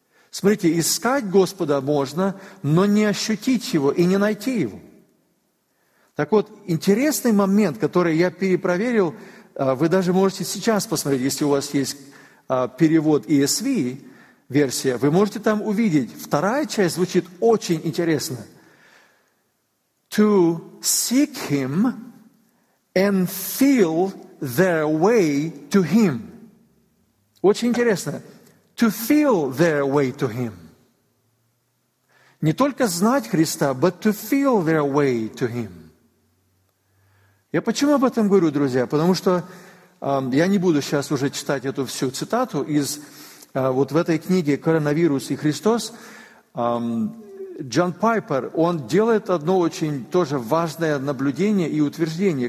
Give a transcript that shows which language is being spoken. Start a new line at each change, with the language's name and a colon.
Russian: Смотрите, искать Господа можно, но не ощутить его и не найти его. Так вот, интересный момент, который я перепроверил, вы даже можете сейчас посмотреть, если у вас есть перевод ESV, версия, вы можете там увидеть. Вторая часть звучит очень интересно.
English: To seek Him and feel their way to Him.
Russian: Очень интересно.
English: To feel their way to Him.
Russian: Не только знать Христа,
English: but to feel their way to Him.
Russian: Я почему об этом говорю, друзья? Потому что я не буду сейчас уже читать эту всю цитату из вот в этой книге «Коронавирус и Христос». Джон Пайпер, он делает одно очень тоже важное наблюдение и утверждение.